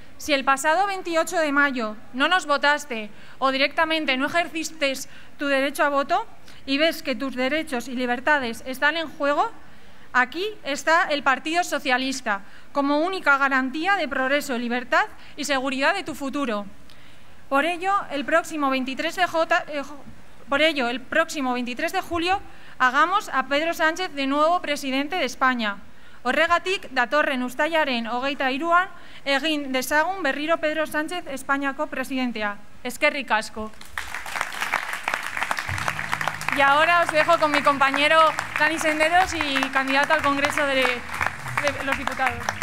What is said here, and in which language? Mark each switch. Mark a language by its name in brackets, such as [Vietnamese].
[Spanish] Si el pasado 28 de mayo no nos votaste o directamente no ejerciste tu derecho a voto y ves que tus derechos y libertades están en juego, aquí está el Partido Socialista como única garantía de progreso, libertad y seguridad de tu futuro. Por ello, el próximo 23 de julio hagamos a Pedro Sánchez de nuevo presidente de España. [Basque] Horregatik datorren uztailaren 23an egin dezagun berriro Pedro Sánchez Espainiako presidentea. Eskerrik asko. [Spanish] Y ahora os dejo con mi compañero Dani Senderos y candidato al Congreso de los Diputados.